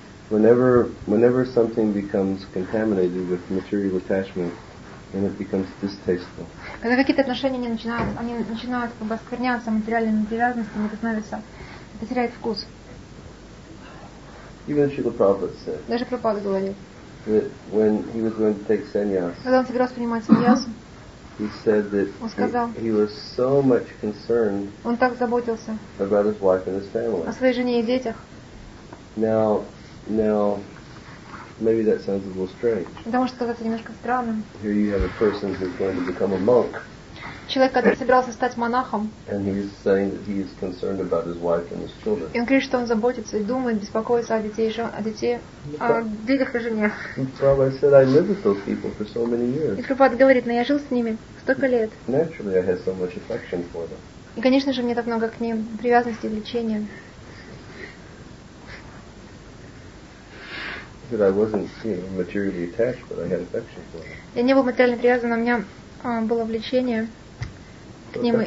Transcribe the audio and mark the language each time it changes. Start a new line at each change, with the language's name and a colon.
English: Whenever something becomes contaminated with material attachment, then it becomes distasteful.
Russian: Когда какие-то отношения они начинают как бы оскверняться материальными привязанностями, это становится, это теряет вкус.
English: Even Srila Prabhupada said.
Russian: Даже Прабхупада говорил.
English: That when he was going to take sannyas.
Russian: Когда он собирался принимать саньясу.
English: He said that he was so much concerned.
Russian: Он так заботился.
English: About his wife and his family.
Russian: О своей жене и детях.
English: Now, maybe that sounds a little strange.
Russian: Потому что казаться немножко странным.
English: Here you have a person who's going to become a monk.
Russian: человек, который собирался стать монахом.
English: And he's saying that he is concerned about his wife and his children.
Russian: И он говорит, что он заботится и думает, беспокоится о детей, о детей, о детях и жене.
English: Prabhupada said, I lived with those people for so many years.
Russian: И Прабхупада говорит, но я жил с ними столько лет.
English: Naturally, I had so much affection for them.
Russian: И, конечно же, мне так много к ним привязанности и влечения.
English: That I wasn't, you know, materially attached, but I had affection for them.
Russian: Я не был материально привязан, но у меня было влечение к ним и.